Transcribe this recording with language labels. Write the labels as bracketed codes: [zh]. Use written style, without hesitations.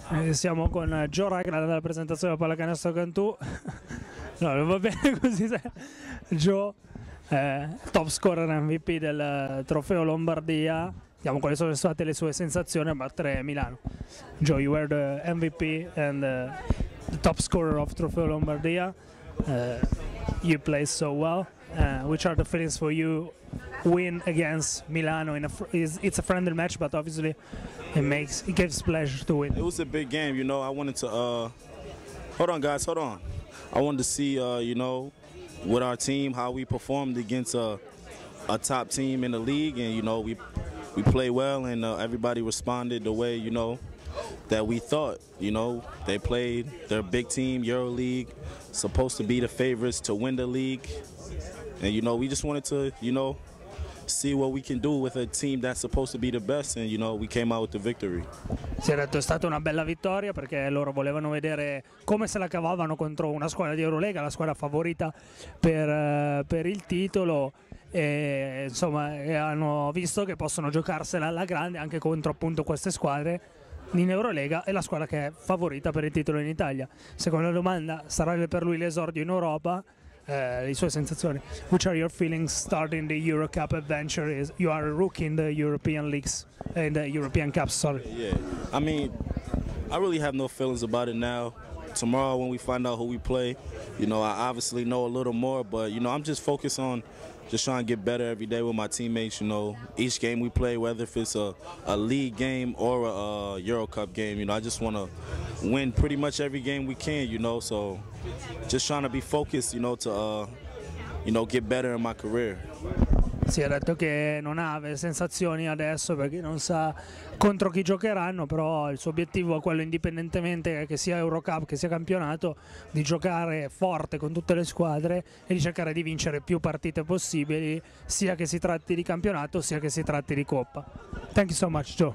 [it] Siamo con Joe Ragland dalla presentazione della Pallacanestro Cantù. No, non va bene così. Joe, top scorer MVP del trofeo Lombardia. Vediamo quali sono state le sue sensazioni a battere Milano. [en] Joe, you were the MVP and the top scorer of trofeo Lombardia. You play so well. Which are the feelings for you? Win against Milano in a it's a friendly match, but obviously it gives pleasure to win. It was a big game, you know. I wanted to hold on. I wanted to see with our team how we performed against a top team in the league, and you know we play well, and everybody responded the way you know that we thought. You know, they played their big team, EuroLeague, supposed to be the favorites to win the league. And you know, we just wanted to, you know, see what we can do with a team that's supposed to be the best, and you know, we came out with the victory. [it] Si è detto è stata una bella vittoria perché loro volevano vedere come se la cavavano contro una squadra di Eurolega, la squadra favorita per il titolo, e insomma, hanno visto che possono giocarsela alla grande anche contro appunto queste squadre in Eurolega e la squadra che è favorita per il titolo in Italia. Seconda domanda, sarà per lui l'esordio in Europa? Le sue sensazioni. [en] Which are your feelings starting the Euro Cup adventure? Is you are a rookie in the European leagues and the European Cup? Sorry. Yeah. I mean, I really have no feelings about it now. Tomorrow, when we find out who we play, you know, I obviously know a little more. But you know, I'm just focused on just trying to get better every day with my teammates. You know, each game we play, whether if it's a league game or a Euro Cup game, you know, I just want to win pretty much every game we can, you know, so just trying to be focused, you know, to you know, get better in my career. [it] Si è detto che non ha le sensazioni adesso perché non sa contro chi giocheranno, però il suo obiettivo è quello, indipendentemente che sia Eurocup, che sia campionato, di giocare forte con tutte le squadre e di cercare di vincere più partite possibili, sia che si tratti di campionato sia che si tratti di coppa. [en] Thank you so much, Joe.